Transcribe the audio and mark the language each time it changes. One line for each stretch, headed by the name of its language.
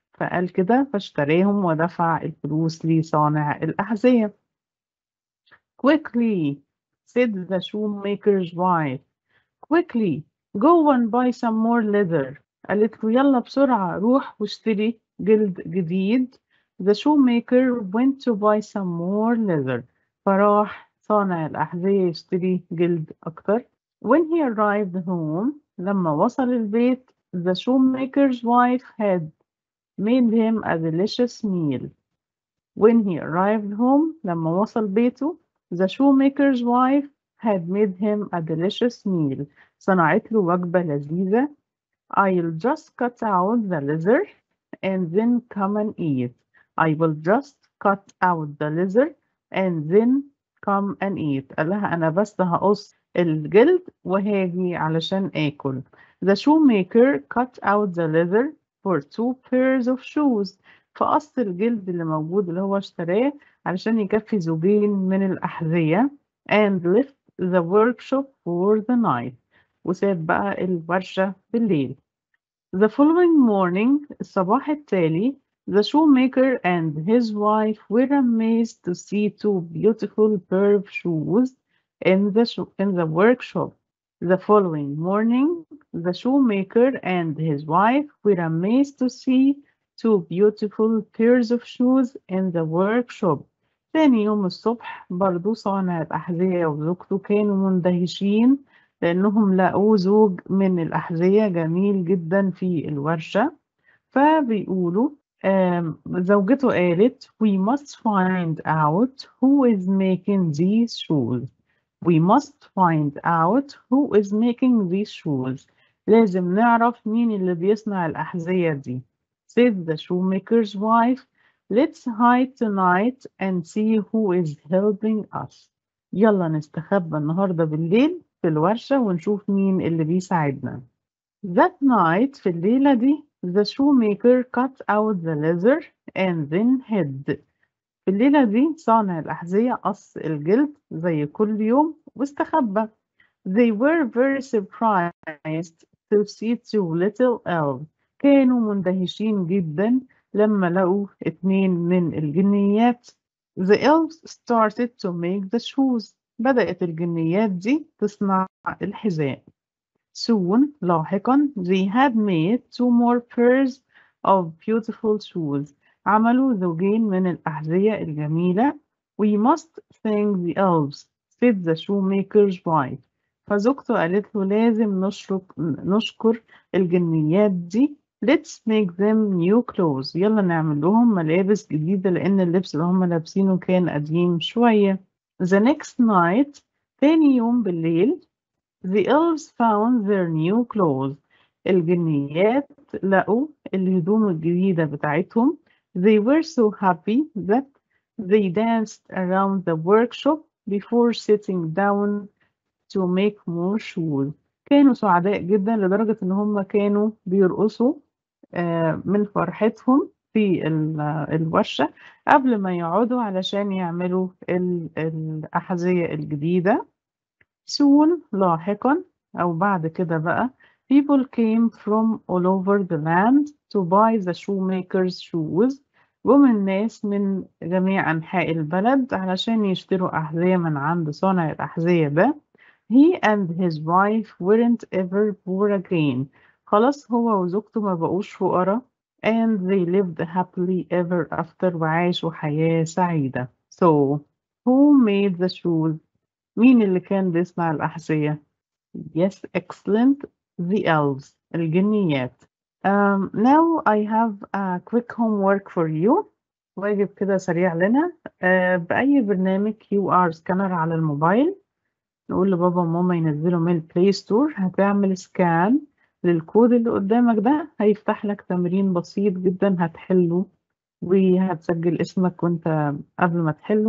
Arabic: فقال كده فاشتريهم ودفع الفلوس لصانع الأحذية.
English: Quickly, said the shoemaker's wife. Quickly, go and buy some more leather.
Arabic: قالت له يلا بسرعة روح واشتري جلد جديد.
English: The shoemaker went to buy some more leather.
Arabic: فراح صانع الأحذية يشتري جلد أكتر.
English: When he arrived home,
Arabic: لما وصل البيت,
English: the shoemaker's wife had made him a delicious meal. When he arrived home,
Arabic: لما وصل بيته,
English: the shoemaker's wife had made him a delicious meal.
Arabic: صنعت له وجبة لذيذة.
English: I'll just cut out the leather and then come and eat. I will just cut out the lizard and then come and eat.
Arabic: قالها أنا بس هقص الجلد وهاجي علشان آكل.
English: The shoemaker cut out the leather for two pairs of shoes.
Arabic: فقص الجلد اللي موجود اللي هو اشتراه علشان يكفي زوجين من الأحذية.
English: And left the workshop for the night.
Arabic: وساب بقى الورشة بالليل.
English: The following morning,
Arabic: الصباح التالي,
English: the shoemaker and his wife were amazed to see two beautiful pair of shoes in the workshop. The following morning, the shoemaker and his wife were amazed to see two beautiful pairs of shoes in the workshop.
Arabic: ثاني يوم الصبح برضو صانع الأحذية وزوجته كانوا مندهشين لأنهم لقوا زوج من الأحذية جميل جدا في الورشة. فبيقولوا زوجته قالت
English: We must find out who is making these shoes. We must find out who is making these shoes.
Arabic: لازم نعرف مين اللي بيصنع الأحذية دي.
English: Said the shoemaker's wife, Let's hide tonight and see who is helping us.
Arabic: يلا نستخبى النهاردة بالليل في الورشة ونشوف مين اللي بيساعدنا.
English: That night,
Arabic: في الليلة دي,
English: the shoemaker cut out the leather and then hid.
Arabic: في الليلة دي صانع الأحذية قص الجلد زي كل يوم واستخبى.
English: They were very surprised to see two little elves.
Arabic: كانوا مندهشين جدا لما لقوا اتنين من الجنيات.
English: The elves started to make the shoes.
Arabic: بدأت الجنيات دي تصنع الحذاء.
English: Soon, لاحقا, they had made two more pairs of beautiful shoes.
Arabic: عملوا زوجين من الأحذية الجميلة.
English: We must thank the elves, said the shoemaker's wife.
Arabic: فزوجته قالت له لازم نشكر الجنيات دي.
English: Let's make them new clothes.
Arabic: يلا نعمل لهم ملابس جديدة لأن اللبس اللي هم لابسينه كان قديم شوية.
English: The next night,
Arabic: ثاني يوم بالليل,
English: the elves found their new clothes.
Arabic: الجنيات لقوا الهدوم الجديدة بتاعتهم.
English: They were so happy that they danced around the workshop before sitting down to make more shoes.
Arabic: كانوا سعداء جدا لدرجة إن هم كانوا بيرقصوا من فرحتهم في الورشة قبل ما يقعدوا علشان يعملوا الأحذية الجديدة.
English: Soon,
Arabic: لاحقا أو بعد كده بقى,
English: people came from all over the land to buy the shoemaker's shoes.
Arabic: ومن ناس من جميع أنحاء البلد علشان يشتروا أحذية من عند صانع الأحذية ده.
English: He and his wife weren't ever poor again.
Arabic: خلاص هو وزوجته ما بقوش فقراء.
English: And they lived happily ever after
Arabic: وعاشوا حياة سعيدة.
English: So, who made the shoes?
Arabic: مين اللي كان بيصنع الأحذية؟
English: Yes, excellent. The elves. الجنيات. Now I have a quick homework for you.
Arabic: واجب كده سريع لنا. بأي برنامج QR scanner على الموبايل. نقول لبابا وماما ينزلوا من البلاي ستور. هتعمل سكان للكود اللي قدامك ده. هيفتح لك تمرين بسيط جدا هتحله. وهتسجل اسمك وانت قبل ما تحله.